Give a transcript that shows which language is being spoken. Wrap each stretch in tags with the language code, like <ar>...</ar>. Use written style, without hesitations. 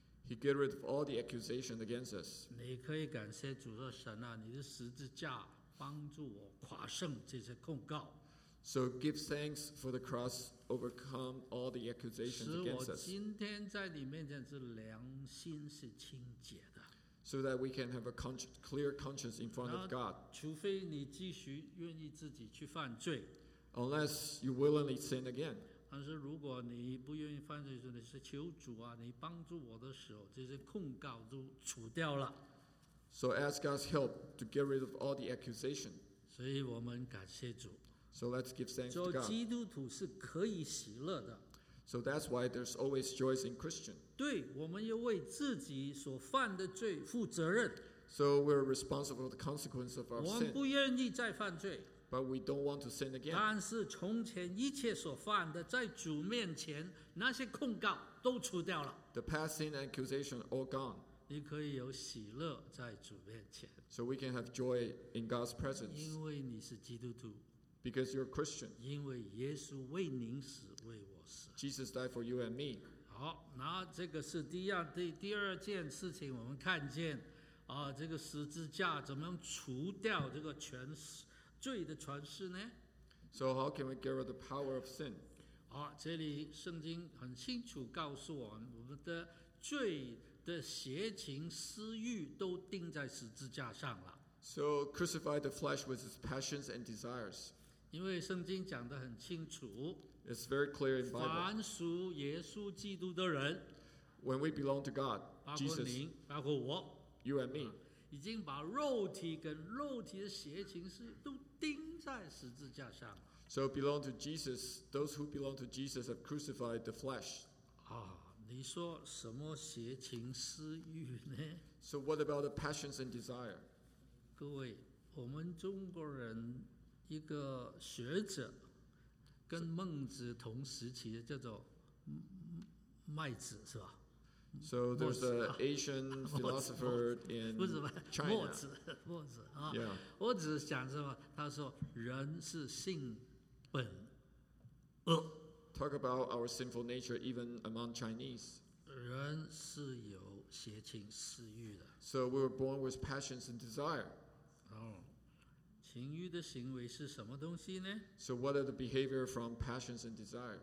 <en>He get rid of all the accusation against us.</en> <zh>你可以感谢主说神啊，你的十字架帮助我跨胜这些控告。</zh> <en>So give thanks for the cross overcome all the accusations against us.</en> <zh>使我今天在你面前是良心是清洁的。</zh> <en>So that we can have a clear conscience in front of God.</en> <zh>除非你继续愿意自己去犯罪。</zh> <en>Unless you willingly sin again.</en> <zh>但是如果你不愿意犯罪，你是求主啊，你帮助我的时候，这些控告都除掉了。</zh> <en>So ask God's help to get rid of all the accusation.</en> <zh>所以我们感谢主。</zh> <en>So let's give thanks to God.</en> <zh>做基督徒是可以喜乐的。</zh> <en>So that's why there's always joy in Christian.</en> <zh>对，我们要为自己所犯的罪负责任。</zh> <en>So we're responsible for the consequence of our sin.</en> <zh>我们不愿意再犯罪。</zh> <en>But we don't want to sin again.</en> <zh>但是从前一切所犯的，在主面前那些控告都除掉了。</zh> <en>The past sin and accusation all gone.</en> <zh>你可以有喜乐在主面前。</zh> <en>So we can have joy in God's presence.</en> <zh>因为你是基督徒。</zh> <en>Because you're a Christian.</en> <zh>因为耶稣为您死，为我死。</zh> <en>Jesus died for you and me.</en> <zh>好，那这个是第一样，第二件事情，我们看见啊，这个十字架怎么样除掉这个权势。罪的权势呢？</zh> <en>So how can we get rid of the power of sin?</en> <zh>好，这里圣经很清楚告诉我们，我们的罪的邪情私欲都钉在十字架上了。</zh> <en>So crucify the flesh with its passions and desires.</en> <zh>因为圣经讲得很清楚。</zh> <en>It's very clear in Bible.</en> <zh>凡属耶稣基督的人。</zh> <en>When we belong to God, Jesus.</en> <zh>包括您，包括我。</zh> <en>You and me.</en> <zh>已经把肉体跟肉体的邪情是都钉在十字架上。</zh> <en>So belong to Jesus, those who belong to Jesus have crucified the flesh.</en> <zh>啊，你说什么邪情私欲呢？</zh> <en>So what about the passions and desire?</en> <zh>各位，我们中国人一个学者跟孟子同时期的叫做麦子是吧？</zh> <en>So there's an Asian philosopher in China.</en> <zh>墨子，墨子啊。</zh> <en>Yeah.</en> <zh>我只是讲什么？他说人是性本恶。</zh> <en>Talk about our sinful nature even among Chinese.</en> <zh>人是有邪情私欲的。</zh> <en>So we were born with passions and desire.</en> <zh>情欲的行为是什么东西呢？</zh> <en>So what are the behavior from passions and desire?</en>